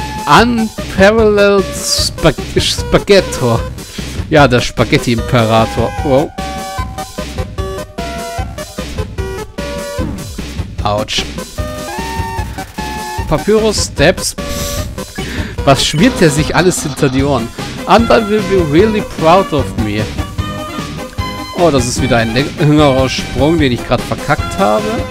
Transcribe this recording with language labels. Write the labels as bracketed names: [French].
[English] Unparalleled Spaghetto. [German] Ja, der Spaghetti-Imperator. Wow. Autsch. [English] Papyrus Steps. [German] Was schmiert der sich alles hinter die Ohren? [English] And I will be really proud of me. [German] Oh, das ist wieder ein längerer Sprung, den ich gerade verkackt habe.